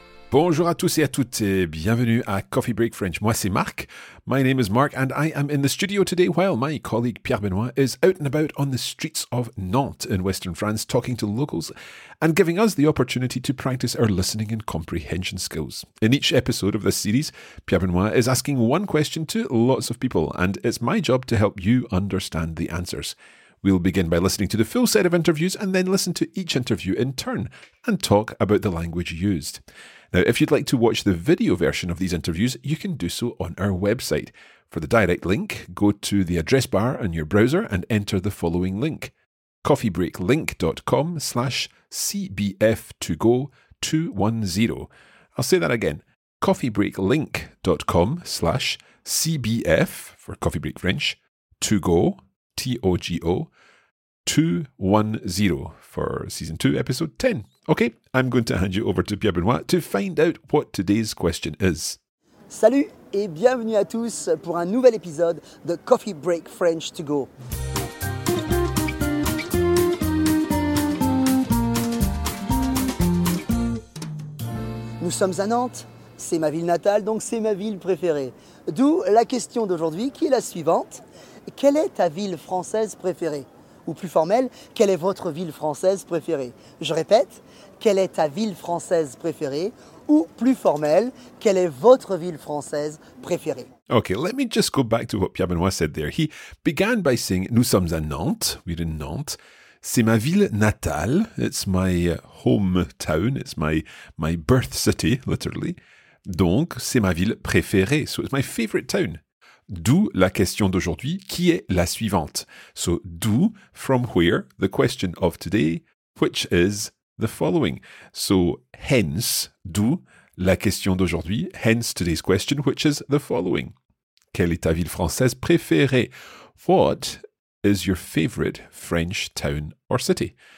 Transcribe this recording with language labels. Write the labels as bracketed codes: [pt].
[fr] Bonjour à tous et à toutes, et bienvenue à Coffee Break French. Moi, c'est Marc. [en] My name is Marc, and I am in the studio today while my colleague Pierre Benoit is out and about on the streets of Nantes in Western France, talking to locals and giving us the opportunity to practice our listening and comprehension skills. In each episode of this series, Pierre Benoit is asking one question to lots of people, and it's my job to help you understand the answers. We'll begin by listening to the full set of interviews and then listen to each interview in turn and talk about the language used. Now, if you'd like to watch the video version of these interviews, you can do so on our website. For the direct link, go to the address bar on your browser and enter the following link, coffeebreaklink.com/CBF2Go210. I'll say that again, coffeebreaklink.com/CBF, for Coffee Break French, to go, T-O-G-O, 210 for season 2, episode 10. Okay, I'm going to hand you over to Pierre Benoit to find out what today's question is. [fr] Salut et bienvenue à tous pour un nouvel épisode de Coffee Break French To Go. Nous sommes à Nantes, c'est ma ville natale, donc c'est ma ville préférée. D'où la question d'aujourd'hui qui est la suivante. Quelle est ta ville française préférée ? Ou plus formelle, quelle est votre ville française préférée ? Je répète, quelle est ta ville française préférée ? Ou plus formelle, quelle est votre ville française préférée ? [en] Okay, let me just go back to what Pierre Benoit said there. He began by saying, nous sommes à Nantes, we're in Nantes. C'est ma ville natale, it's my hometown, it's my birth city, literally. Donc, c'est ma ville préférée, so it's my favorite town. [fr] D'où la question d'aujourd'hui, qui est la suivante. [en] So, d'où, from where, the question of today, which is the following. So, hence, d'où la question d'aujourd'hui, hence today's question, which is the following. Quelle est ta ville française préférée? What is your favorite French town or city?